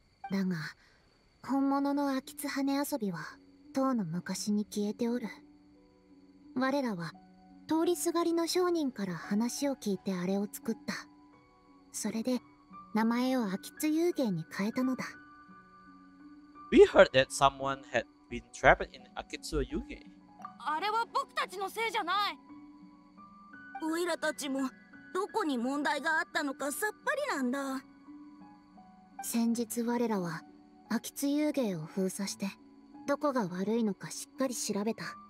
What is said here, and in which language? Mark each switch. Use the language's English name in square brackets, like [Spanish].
[Japanese] だが本物の秋津羽遊びはとうの昔に消えておる。我らは通りすがりの商人から話を聞いてあれを作った。それで名前を秋津幽霊に変えたのだ。 [English] We heard that someone had been trapped in Akitsu Yuge. [Japanese] あれは僕たちのせいじゃない。オイラたちもどこに問題があったのかさっぱりなんだ。先日我らは秋津幽霊を封鎖して、どこが悪いのかしっかり調べた。